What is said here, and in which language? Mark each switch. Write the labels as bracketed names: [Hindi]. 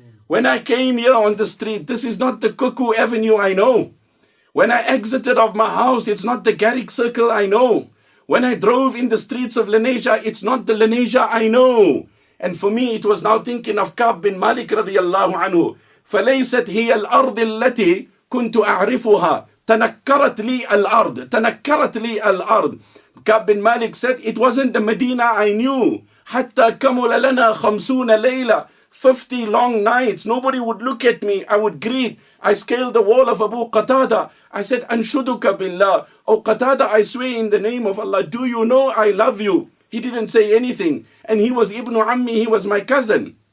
[English] When I came here on the street, this is not the Cuckoo Avenue I know. When I exited off my house, it's not the Garrick Circle I know. When I drove in the streets of Lanesha, it's not the Lanesha I know. And for me, it was now thinking of Ka'b bin Malik radiyallahu anhu. [Arabic] فَلَيْسَتْ هِيَ الْأَرْضِ الَّتِي كُنْتُ أَعْرِفُهَا تَنَكَّرَتْ لِي الْأَرْضِ تَنَكَّرَتْ لِي الْأَرْضِ [English] Ka'b bin Malik said, it wasn't the Medina I knew. [Arabic] حَتَّى كَمُلَ لَنَا خَمْسُونَ لَيْلَ [English] 50 long nights, nobody would look at me. I would greet. I scaled the wall of Abu Qatada. I said, [Arabic] Anshuduka billah. [English] Oh Qatada, I swear in the name of Allah, do you know I love you? He didn't say anything. And he was Ibn Ammi, he was my cousin.